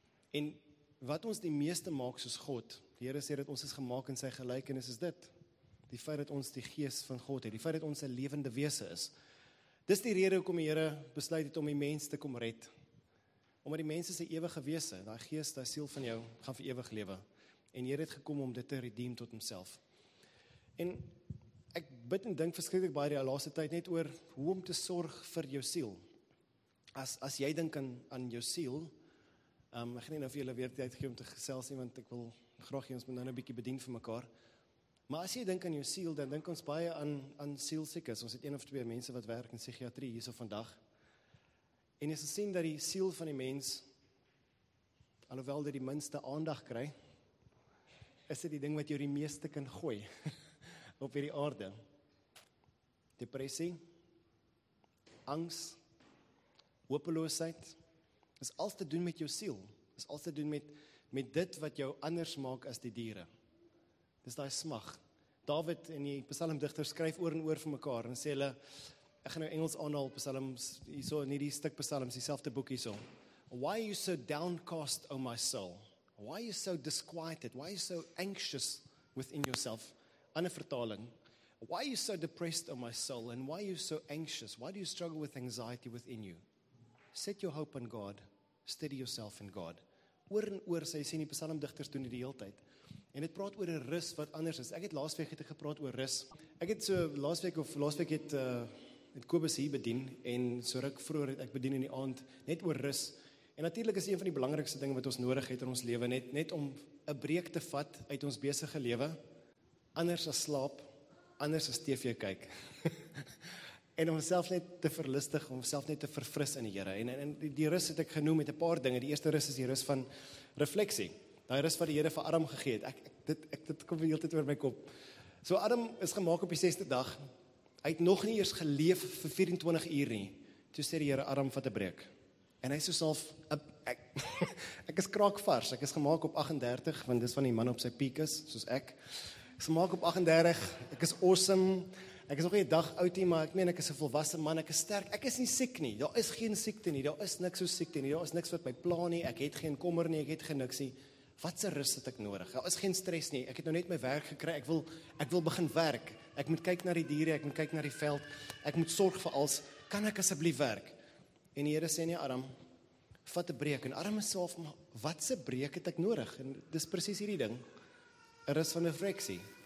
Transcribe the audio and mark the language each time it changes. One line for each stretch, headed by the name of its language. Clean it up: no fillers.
Afrikaans: En wat ons die meeste maak soos God, die Here sê dat ons is gemaak in sy gelykenis, is dit. Die feit dat ons die gees van God het, die feit dat ons 'n lewende wese is. Dis die rede hoekom die Here besluit het om die mens te kom red. Omdat die mens is 'n ewige wese, daai gees, daai siel van jou, gaan vir ewig lewe. En Here het gekom om dit te redeem tot homself. En ek bid en dink verskriklik baie die laaste tyd net oor hoe om te sorg vir jou siel. As jy dink aan jou siel, ek gaan nie nou vir julle weer tyd gee om te gesels nie, want ek wil graag hê ons moet nou 'n bietjie bedien vir mekaar. Maar as jy dink aan jou siel, dan dink ons baie aan sielsiekes. Ons het een of twee mense wat werk in psigiatrie hierso vandag. En jy sal sien dat die siel van die mens, alhoewel dit die minste aandag kry, is dit die ding wat jou die meeste kan gooi op hierdie aarde. Depressie, angs, hopeloosheid, is alles te doen met jou siel. Is alles te doen met dit wat jou anders maak as die diere. Dis daai smag. David en die psalmdigter skryf oor en oor vir mekaar en sê hulle, ek gaan nou Engels aanhaal, psalms, hierso, nie die stuk psalms, die selfde boek hierso.
English: Why are you so downcast, O my soul? Why are you so disquieted? Why are you so anxious within yourself?
Afrikaans: Ander vertaling.
English: Why are you so depressed, O my soul? And why are you so anxious? Why do you struggle with anxiety within you? Set your hope on God. Steady yourself in God.
Afrikaans: Oor en oor, sy sê die psalmdigters doen dit die hele tyd. En dit praat oor 'n rus wat anders is. Ek het laasweek het gepraat oor rus. Ek het so laasweek het met Kobus hier bedien, en so ruk vroeger het ek bedien in die aand, net oor rus. En natuurlik is een van die belangrikste dinge wat ons nodig het in ons lewe, net om 'n breek te vat uit ons besige lewe, anders as slaap, anders as TV kyk. En om self net te verlustig, om self net te verfris in die Here. En die rus het ek genoem met 'n paar dinge. Die eerste rus is die rus van refleksie. Daai rus wat die Here vir Adam gegee het. Ek dit kom die hele tyd oor my kop. So Adam is gemaak op die 6de dag. Hy het nog nie eers geleef vir 24 uur nie. Toe sê die Here, Adam, vat 'n breek. En hy sê self, ek is kraakvars. Ek is gemaak op 38, want dis van die man op sy piek is, soos ek. Ek is gemaak op 38, ek is awesome. Ek is nog nie 'n dag oud nie, maar ek meen ek is 'n volwasse man, ek is sterk. Ek is nie siek nie, daar is geen siekte nie, daar is niks so siekte nie, daar is niks wat my pla nie, ek het geen kommer nie, ek het geen niks nie. Wat se rus het ek nodig? Daar is geen stres nie. Ek het nou net my werk gekry. Ek wil begin werk. Ek moet kyk na die diere, ek moet kyk na die veld. Ek moet sorg vir alles. Kan ek asseblief werk? En die Here sê nie, Adam, vat 'n breek. En Adam sê af, wat se breek het ek nodig? En dis presies hierdie ding. Er is van 'n refleksie.